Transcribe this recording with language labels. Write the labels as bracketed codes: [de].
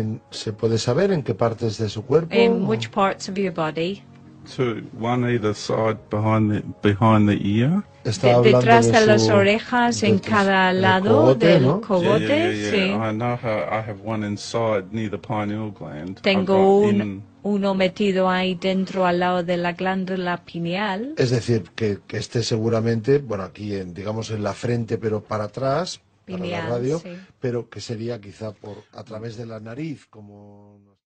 [es] ¿Se puede saber en qué partes de su cuerpo? [en] In which parts of your body? Two, one either side behind the ear. [es] Estaba hablando detrás de las orejas, en cada lado del cogote, sí. [en] I have one inside near the pineal gland. [es] Tengo uno metido ahí dentro al lado de la glándula pineal. Es decir, que esté seguramente, bueno, aquí en, digamos, en la frente, pero para atrás. Pineal, para la radio, sí. Pero que sería quizá por a través de la nariz, como